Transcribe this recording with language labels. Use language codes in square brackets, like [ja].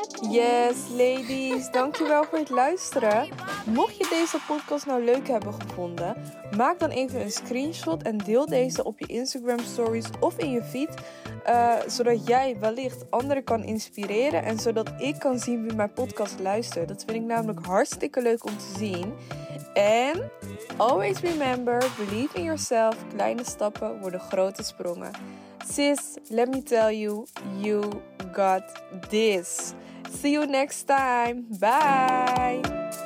[en] Yes, ladies. [nl] Dankjewel voor het luisteren. Mocht je deze podcast nou leuk hebben gevonden, maak dan even een screenshot en deel deze op je Instagram stories of in je feed. Zodat jij wellicht anderen kan inspireren en zodat ik kan zien wie mijn podcast luistert. Dat vind ik namelijk hartstikke leuk om te zien. En [en] always remember, believe in yourself. [nl] Kleine stappen worden grote sprongen. [en] Sis, let me tell you, you got this. See you next time. Bye.